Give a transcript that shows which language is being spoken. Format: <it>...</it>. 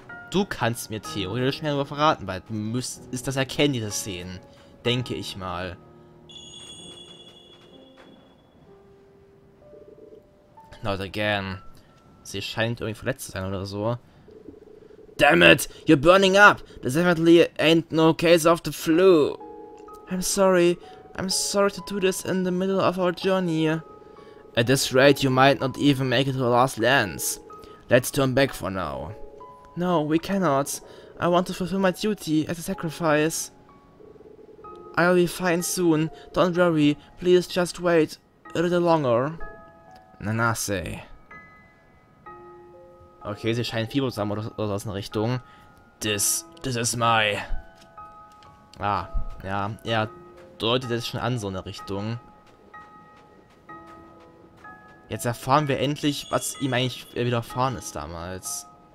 <de>Du kannst mir theoretisch mehr darüber verraten, weil du müsst, ist das erkennen, diese Szenen. Denke ich mal.</de> <en>Not again.</en> <de>Sie scheint irgendwie verletzt zu sein oder so.</de> <en>Damn it! You're burning up! There definitely ain't no case of the flu! I'm sorry to do this in the middle of our journey. At this rate, you might not even make it to the last lands. Let's turn back for now. No, we cannot. I want to fulfill my duty as a sacrifice. I'll be fine soon. Don't worry. Please just wait a little longer. Nanase.</en> <de>Okay, sie scheint Fieber zu haben oder aus einer Richtung. Das ist Mai. Ah, ja, er deutet jetzt schon an, so eine Richtung. Jetzt erfahren wir endlich, was ihm eigentlich widerfahren ist damals.</de>